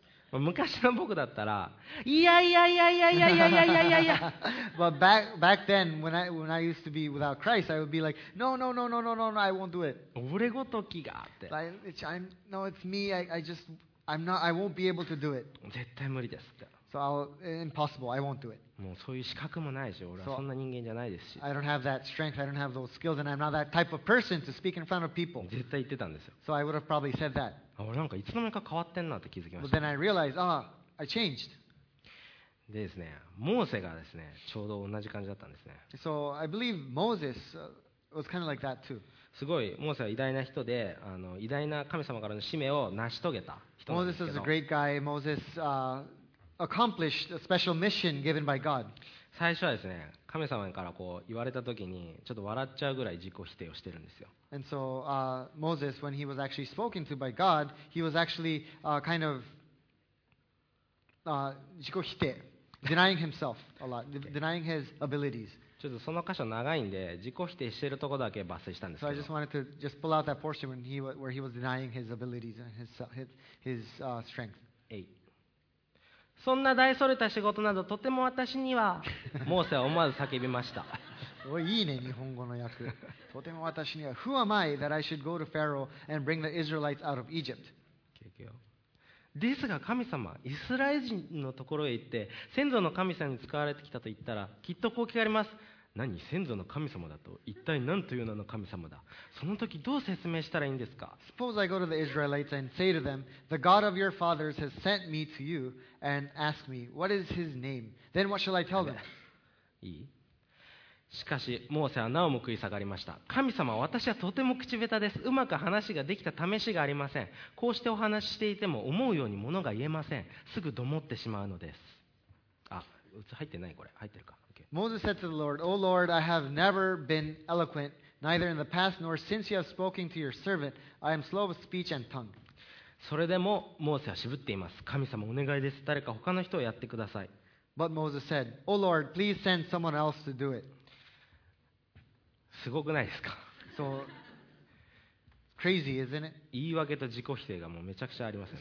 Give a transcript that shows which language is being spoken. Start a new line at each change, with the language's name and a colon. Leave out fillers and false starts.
Japanese: 昔の僕だったら、いやいやいやいやいやいやいやいやいやいや。
English: But back then, when I used to be without Christ, I would be like, no, no, no, no, no, no, no, I won't do it.
Japanese: 俺ごときがって。
English: No, it's me. I won't be able to do it.
Japanese: 絶対無理ですって。
English: So impossible. I won't do it.
Japanese: もうそういう資格もないし、俺はそんな人間じゃないですし。
English: I don't have that strength. I don't have those skills, and I'm not that type of person to speak in front of people.
Japanese: 絶対言ってたんですよ。
English: So I would have probably said that.
Japanese: 俺なんかいつの間にか変わってんなって気づきました。
English: But then I realized, I changed.
Japanese: でですね、モーセがですね、ちょうど同じ感じだったんですね。
English: So I believe Moses was kind of like that too.
Japanese: すごいモーセは偉大な人で、あの偉大な神様からの使命を成し遂げた人なんですけど。
English: Moses is a great guy. Moses accomplished a special mission given by God.
Japanese: 最初はですね、神様からこう言われた時にちょっと笑っちゃうぐらい自己否定をしてるんですよ。
English: And so Moses, when he was actually spoken to by God, he was actually kind of 自己否定、denying himself a lot, denying his abilities.
Japanese: ちょっとその箇所長いんで自己否定してるとこだけ抜粋したんですけど。
English: So I just wanted to just pull out that portion when he where he was denying his abilities and his strength.
Japanese: そんな大それた仕事などとても私にはモーセは思わず叫びました。いいね日本語の訳。とても私には
English: Who am I that I should go to Pharaoh and bring the Israelites out of Egypt?
Japanese: ですが神様、イスラエル人のところへ行って先祖の神様に使われてきたと言ったらきっとこう聞かれます。何先祖の神様だと一体何という名の神様だ。その時どう説明したらいいんですか。
English: Suppose I go to the Israelites and say to them, The God of your fathers has sent me to you and ask me, What is his name? Then what shall I tell them?
Japanese: いい。しかしモーセはなおも食い下がりました。神様、私はとても口下手です。うまく話ができた試しがありません。こうしてお話ししていても思うようにものが言えません。すぐどもってしまうのです。あ、うつ入ってないこれ入ってるか、okay.
English: Moses said to the Lord, O Lord, I have never been eloquent, neither in the past nor since you have spoken to your servant. I am slow of speech and tongue.
Japanese: それでもモーセは渋っています。神様お願いです、誰か他の人をやってください。
English: But Moses said, O Lord, please send someone else to do it.
Japanese: すごくないですか。
English: So crazy, isn't it?
Japanese: 言い訳と自己否定がもうめちゃくちゃありますね。